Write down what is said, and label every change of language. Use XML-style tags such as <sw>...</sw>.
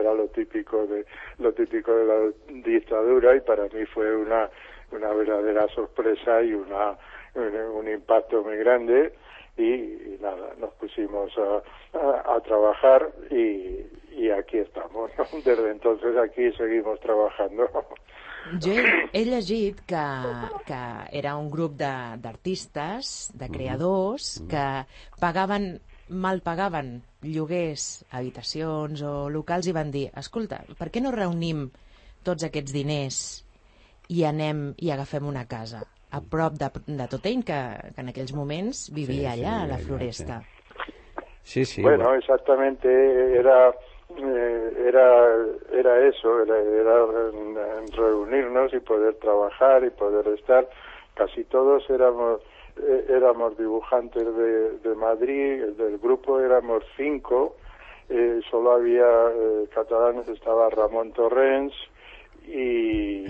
<es>Era lo típico de la dictadura y para mí fue una verdadera sorpresa y un impacto muy grande y nada, nos pusimos a trabajar y aquí estamos, ¿no? Desde entonces aquí seguimos trabajando.</es> <ca>Jo he llegit que era un grup d'artistes, de creadors, que mal pagaven lloguers, habitacions o locals i van dir, escolta, per què no reunim tots aquests diners i anem i agafem una casa a prop de Totain, que en aquells moments vivia allà, a la Floresta?</ca> <es>Sí, sí. Bueno, exactamente, era eso, era reunirnos y poder trabajar y poder estar. casi todos éramos dibujantes de Madrid, del grupo éramos cinco, solo había catalanes, estaba Ramón Torrens y...</es>